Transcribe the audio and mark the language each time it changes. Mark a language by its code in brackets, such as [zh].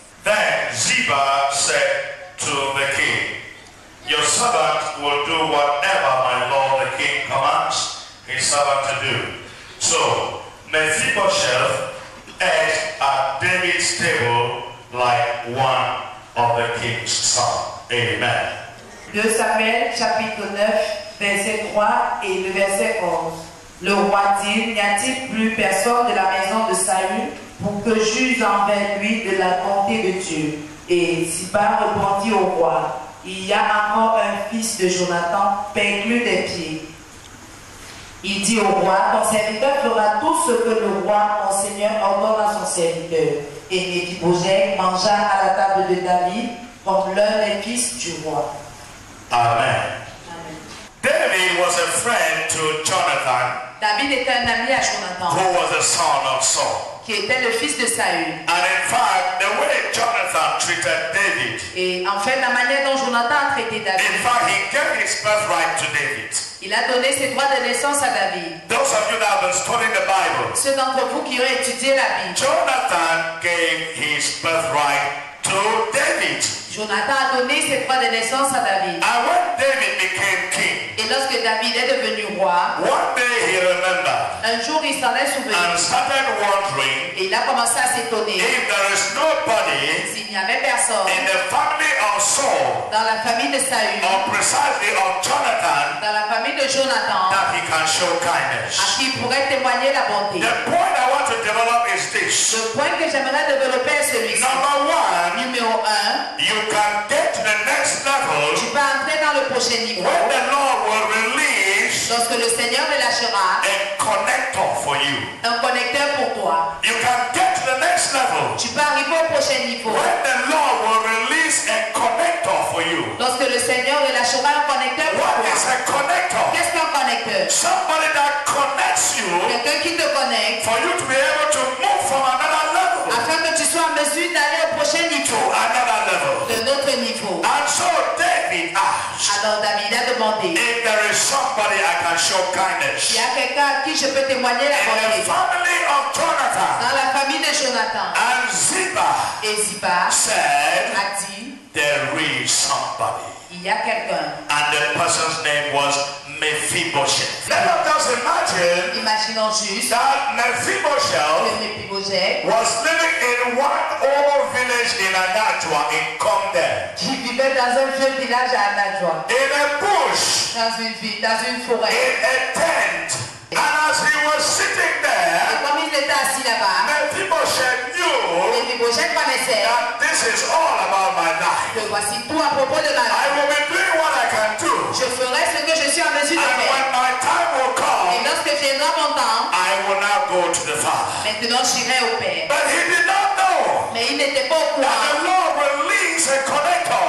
[en] Then Ziba said to the king, your servant will do whatever my lord the king commands his servant to do. So, Mephibosheth ate at David's table like one of the king's sons. Amen. [fr] 2 Samuel, chapitre 9, verset 3 et le verset 11. Le roi dit, n'y a-t-il plus personne de la maison de Saül pour que j'use envers lui de la bonté de Dieu? Et Ziba répondit au roi, il y a encore un fils de Jonathan perclus des pieds. Il dit au roi, ton serviteur fera tout ce que le roi, mon seigneur, ordonne à son serviteur. Et Mephibosheth mangea à la table de David comme l'un des fils du roi. Amen. Amen. [en] David was a friend to Jonathan. [fr] David était un ami à Jonathan. [en] Who was a son of Saul. [fr] Qui était le fils de Saül. [en] And in fact, the way Jonathan treated David. [fr] Et en fait, la manière dont Jonathan a traité David. [en] In fact, he gave his birthright to David. [fr] Il a donné ses droits de naissance à David. [en] Those of you that have been studying the Bible. [fr] Ceux d'entre vous qui ont étudié la Bible. [en] Jonathan gave his birthright to David. [fr] Jonathan a donné ses droits de naissance à David. [en] And when David became king. [fr] Et lorsque David est devenu roi. [en] One day he remembered. [fr] Un jour il s'en est souvenu. [en] And started wondering. [fr] Et il a commencé à s'étonner. [en] If there is nobody. [fr] S'il n'y avait personne. [en] In the family of Saul. [fr] Dans la famille de Saül. [en] Or precisely of Jonathan. [fr] Dans la famille de Jonathan. [en] That he can show kindness. [fr] À qui il pourrait témoigner la bonté. [en] The point I want to develop is this. [fr] Le point que j'aimerais développer est celui-ci. [en] Number one. [fr] Numéro un. [en] You can get to the next level. [fr] Tu vas entrer dans le prochain niveau. [en] When the Lord will release. [fr] Lorsque le Seigneur relâchera. [en] A connector for you. [fr] Un connecteur pour toi. [en] You can get to the next level. [fr] Tu vas arriver au prochain niveau. [en] When the Lord will release a connector for you. [fr] Lorsque le Seigneur et la chevale connecteur. [en] What is a connector? [fr] Qu'est-ce qu'un connecteur? [en] Somebody that connects you. [fr] Quelqu'un qui te connecte. [en] For you to be able to move from another level. [fr] Afin que tu sois en mesure d'aller au prochain niveau. [en] To another level. [fr] De notre niveau. [en] And so David asked. [fr] Alors David a demandé. [en] If there is somebody I can show kindness. [fr] Il y a quelqu'un à qui je peux témoigner la bonté. [en] In the family of Jonathan. [fr] Dans la famille de Jonathan. [en] And Ziba. [fr] Et Ziba. [en] Said. [fr] A dit. [en] There is somebody. [fr] Il y a quelqu'un. [en] And the person's name was Mephibosheth. Let us imagine. [fr] Imaginons juste. [en] That Mephibosheth. [fr] Que Mephibosheth. [en] Was living in one old village in Anadwa in Comde. [fr] Qui vivait dans un vieux village à Anadwa. [en] In a bush. [fr] Dans une forêt. [en] In a tent. And as he was sitting there. [fr] Et comme il était assis là-bas. [en] Mephibosheth knew. [fr] Mephibosheth connaissait. [en] That this is all about my life. [fr] Que voici tout à propos de ma vie. [en] I will be doing what I can do. [fr] Je ferai ce que je suis en mesure [en] and [fr] de faire. [en] When my time will come, [fr] et lorsque viendra mon temps, [en] I will now go to the Father. [fr] Maintenant j'irai au Père. [en] But he did not know. [fr] Mais il n'était pas au courant. [en] That the Lord released a connector.